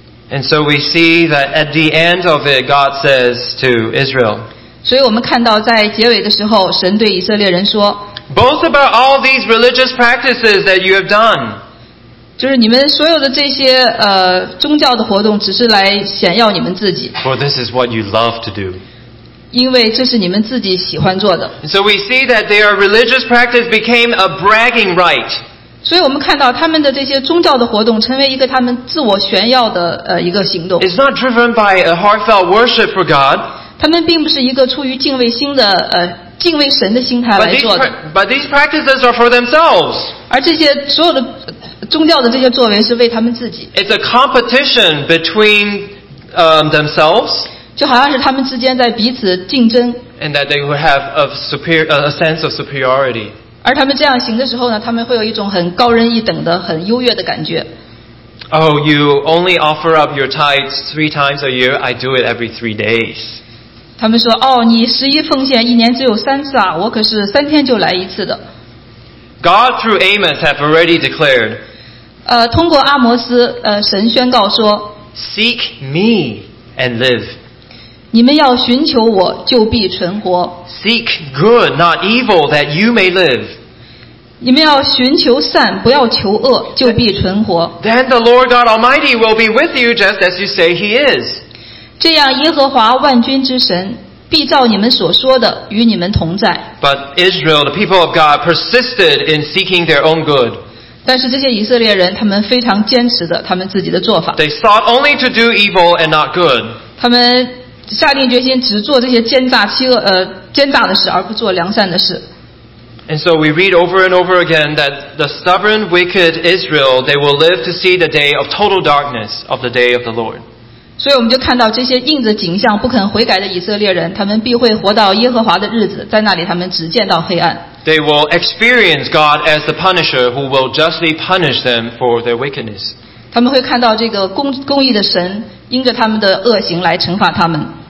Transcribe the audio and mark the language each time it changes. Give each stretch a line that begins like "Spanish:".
English: And so we see that at the end of it, God says to Israel.
Chinese: 所以我们看到在结尾的时候，神对以色列人说，
English: Boast about all these religious practices that you have done.
Chinese: 就是你们所有的这些宗教的活动，只是来显耀你们自己。
English: For this is what you love to do.
Chinese: 因为这是你们自己喜欢做的。
English: And so we see that their religious practice became a bragging right.
Chinese: 所以我们看到他们的这些宗教的活动成为一个他们自我炫耀的一个行动。
English: It's not driven by a heartfelt worship for God.
Chinese: 他们并不是一个出于敬畏心的敬畏神的心态来做的。
English: But these practices are for themselves.
Chinese: 而这些所有的宗教的这些作为是为他们自己。
English: It's a competition between themselves.
Chinese: 就好像是他们之间在彼此竞争。
English: And that they would have a sense of superiority.
Chinese: 而他们这样行的时候呢，他们会有一种很高人一等的、很优越的感觉。
English: Oh, you only offer up your tithes 3 times a year. I do it every 3 days.
Chinese: 他们说：“哦，你十一奉献一年只有三次啊，我可是三天就来一次的。”
English: God through Amos have already declared.
Chinese: 通过阿摩斯，神宣告说
English: ：“Seek me and live.”
Chinese: 你们要寻求我，就必存活。
English: Seek good, not evil, that you may live.
Chinese: 你们要寻求善，不要求恶，就必存活。
English: Then the Lord God Almighty will be with you just as you say He is.
Chinese: 这样耶和华万军之神必照你们所说的与你们同在。
English: But Israel, the people of God, persisted in seeking their own good.
Chinese: 但是这些以色列人，他们非常坚持的他们自己的做法。
English: They sought only to do evil and not good.
Chinese: 他们下定决心只做这些奸诈欺恶奸诈的事，而不做良善的事。
English: And so we read over and over again that the stubborn, wicked Israel, they will live to see the day of total darkness of the day of the Lord.
Chinese: 所以我们就看到这些印着景象不肯悔改的以色列人，他们必会活到耶和华的日子，在那里他们只见到黑暗。
English: They will experience God as the punisher who will justly punish them for their wickedness.
Chinese: 他们会看到这个公义的神因着他们的恶行来惩罚他们。